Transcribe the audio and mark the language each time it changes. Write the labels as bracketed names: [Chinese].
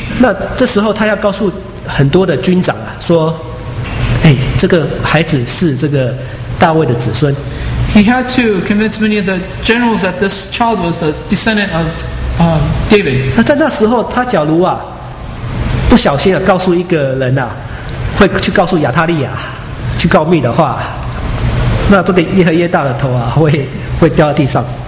[Chinese] 那这时候他要告诉很多的军长啊，说，哎，这个孩子是这个大卫的子孙。 [English] He had to convince many of the generals that this child was the descendant of David. [Chinese] 那在那时候，他假如啊，不小心啊，告诉一个人啊，会去告诉亚塔利亚，去告密的话，那这个耶和耶大的头啊，会掉到地上。